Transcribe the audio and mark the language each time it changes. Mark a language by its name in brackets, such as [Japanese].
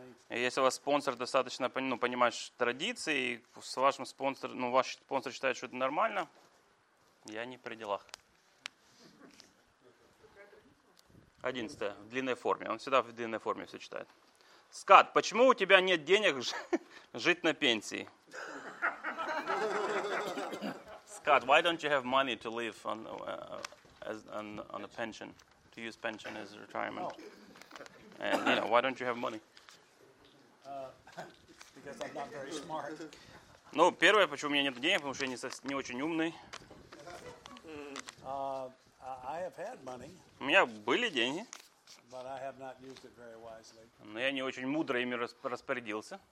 [Russian] Если у вас спонсор достаточно понимаешь традиции, и с вашим спонсором, ваш спонсор считает, что это нормально, я не при делах. 11-е, в длинной форме. Он всегда в длинной форме все читает. Скат, почему у тебя нет денег жить на пенсии? [English] Скат, why don't you have money to live on a pension, to use pension as retirement? And, you know, why don't you have money? Because I'm not very smart. [Russian] Ну, первое, почему у меня нет денег, потому что я не очень умный. [English] I have had money. [Russian] У меня были деньги. [English] But I have not used it very wisely. [Russian] Но я не очень мудро ими распорядился.